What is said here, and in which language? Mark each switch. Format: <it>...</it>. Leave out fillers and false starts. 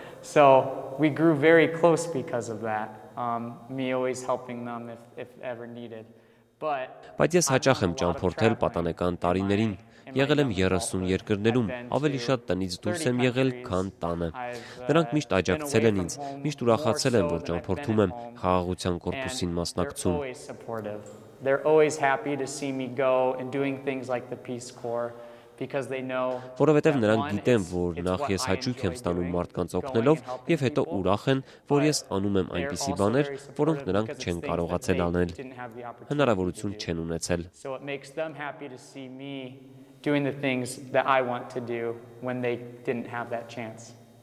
<en>So we grew very close because of that. Me always helping them if ever needed.</en> <hy>Բայց ես հաճախ եմ ճամփորդել պատանեկան տարիներին։ Եղել եմ 30 երկրներում, ավելի շատ տնից դուրս եմ եղել, քան տանը։ Նրանք միշտ աջակցել են ինձ, միշտ ուրախացել են, որ ճամփորդում եմ խաղաղության կորպուսին մասնակցում։</hy> <en>They're always happy to see me go and doing things like the Peace Corps. Because they know,</en> <hy>որովհետև նրանք գիտեն, որ նախ ես հաճույք եմ ստանում մարդկանց օգնելով եւ հետո ուրախ են, որ ես անում եմ այնպիսի բաներ, որոնք նրանք չեն կարողացել անել, հնարավորություն չեն ունեցել։</hy> <en>So it makes them happy to see me doing the things that I want to do when they didn't have that chance.</en>